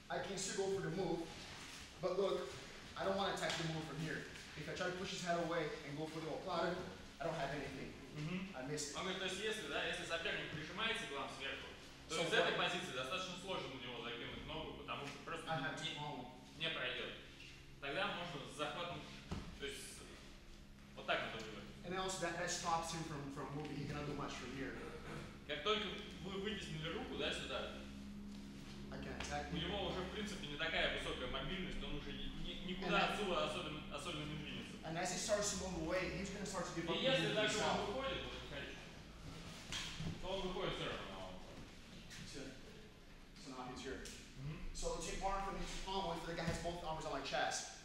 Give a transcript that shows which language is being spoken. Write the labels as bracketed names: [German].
[English] can still go for the move, but look, I don't want to attack the move from here. If I try to push his head away and go for the oplata, I don't have anything. Mm-hmm. I missed it. [Russian] Он говорит, то есть если, да, если соперник прижимается к вам сверху, то из этой позиции достаточно сложно у него закинуть ногу, потому что просто не пройдет. Тогда можно с захватом, то есть вот так это выглядит. [English] And also that stops him from moving, he cannot do much from here. [Russian] Как только вы вытеснили руку, да, сюда, у него уже в принципе не такая высокая мобильность, он уже никуда отсюда особенно не двинется. [English] And as he starts to move away, he's going to start to give up. Yes, if that's what we're going to do, we'll catch him. So we're going to So now he's here. So the tape arm from his palm, I feel like I have both arms on my chest.